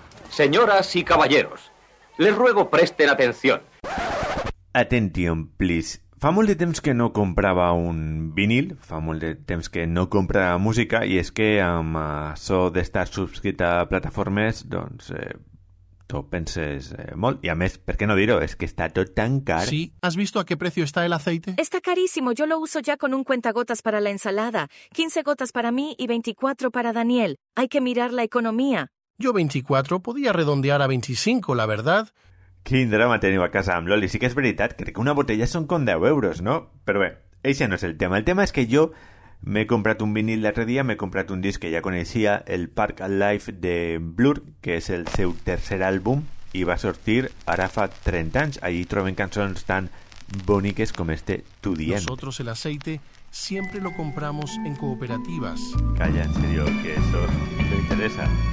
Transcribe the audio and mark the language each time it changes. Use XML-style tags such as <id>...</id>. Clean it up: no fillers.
<es>Señoras y caballeros, les ruego presten atención.</es> <en>Attention, please.</en> <ca>Fa molt de temps que no comprava un vinil, fa molt de temps que no comprava música, i és que amb això d'estar subscrit a plataformes, doncs, t'ho penses molt. I a més, per què no dir-ho, és que està tot tan car.</ca> <es>Sí, ¿has visto a qué precio está el aceite? Está carísimo, yo lo uso ya con un cuentagotas para la ensalada, 15 gotas para mí y 24 para Daniel. Hay que mirar la economía. Yo 24, podía redondear a 25, la verdad.</es> <ca>Quin drama teniu a casa amb l'oli. Sí que és veritat, crec que una botella són com 10 euros, no? Però bé, eixe no és el tema. El tema és que jo m'he comprat un vinil l'altre dia, m'he comprat un disc que ja coneixia, el Park Life de Blur, que és el seu tercer àlbum, i va sortir ara fa 30 anys. Allí troben cançons tan boniques com este Tu Dient.</ca> <es>Nosotros el aceite siempre lo compramos en cooperativas. Calla, en serio, que eso te interesa.</es>